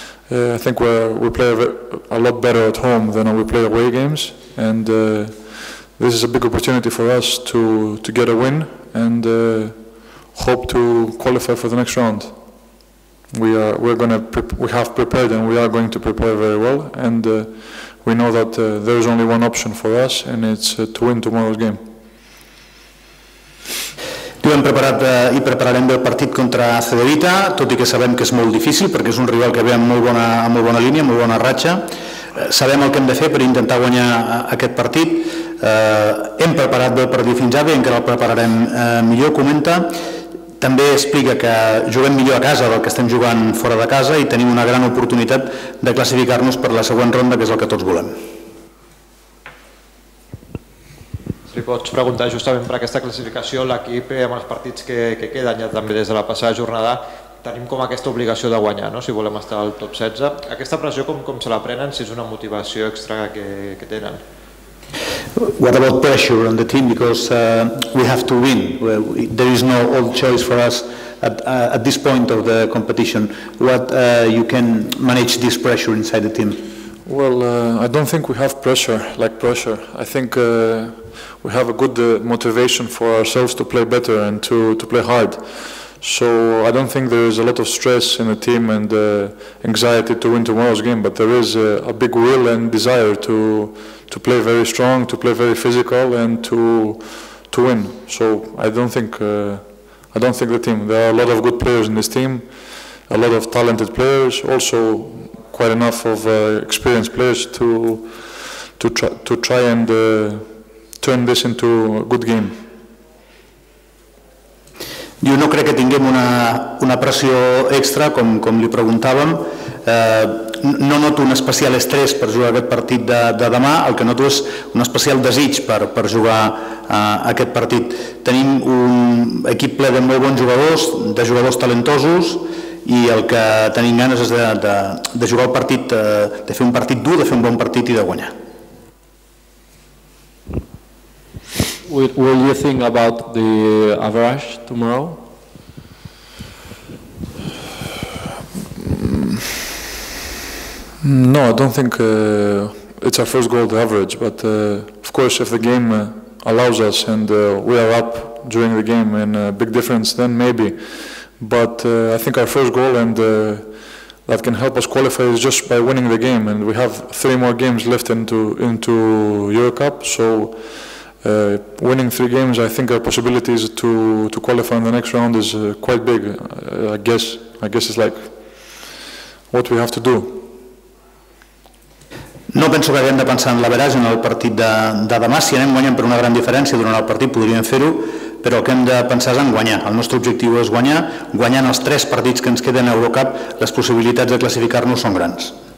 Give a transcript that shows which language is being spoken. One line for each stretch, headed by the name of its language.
English: I think we play a lot better at home than we play away games, and this is a big opportunity for us to get a win and hope to qualify for the next round. We have prepared and we are going to prepare very well, and we know that there is only one option for us, and it's to win tomorrow's game.
Catalan: Diu, hem preparat i prepararem bé el partit contra Cedevita, tot i que sabem que és molt difícil, perquè és un rival que ve amb molt bona línia, amb molt bona ratxa. Sabem el que hem de fer per intentar guanyar aquest partit. Hem preparat bé el partit fins ara i encara el prepararem millor, comenta. També explica que juguem millor a casa del que estem jugant fora de casa i tenim una gran oportunitat de classificar-nos per la següent ronda, que és el que tots volem. Li pots preguntar justament per aquesta classificació l'equip amb els partits que queden ja també des de la passada jornada tenim com aquesta obligació de guanyar, no? Si volem estar al top 16. Aquesta pressió com se la prenen, si és una motivació extra que tenen?
English: What about pressure on the team? Because we have to win. Well, there is no other choice for us at this point of the competition. What you can manage this pressure inside the team? Well, I don't think we have pressure, like pressure. I think we have a good motivation for ourselves to play better and to play hard. So I don't think there is a lot of stress in the team and anxiety to win tomorrow's game, but there is a big will and desire to play very strong, to play very physical and to win. So I don't think the team, there are a lot of good players in this team, a lot of talented players, also quite enough of experienced players to try and turn this into a good game.
Catalan: Jo no crec que tinguem una pressió extra, com li preguntàvem. No noto un especial estrès per jugar aquest partit de demà. El que noto és un especial desig per jugar aquest partit. Tenim un equip ple de molt bons jugadors, de jugadors talentosos, i el que tenim ganes és de jugar el partit, de fer un partit dur, de fer un bon partit i de guanyar.
English: What do you think about the average tomorrow? No, I don't think it's our first goal, the average, but of course if the game allows us and we are up during the game and a big difference, then maybe. But I think our first goal and that can help us qualify is just by winning the game, and we have 3 more games left into EuroCup, so winning 3 games, I think our possibilities to qualify in the next round is quite big. I guess it's like what we have to do.
Catalan: No penso que haguem de pensar en l'average en el partit de demà. Si anem guanyant per una gran diferència durant el partit podríem fer-ho, però el que hem de pensar és en guanyar. El nostre objectiu és guanyar. Guanyant els 3 partits que ens queden a EuroCup, les possibilitats de classificar-nos són grans.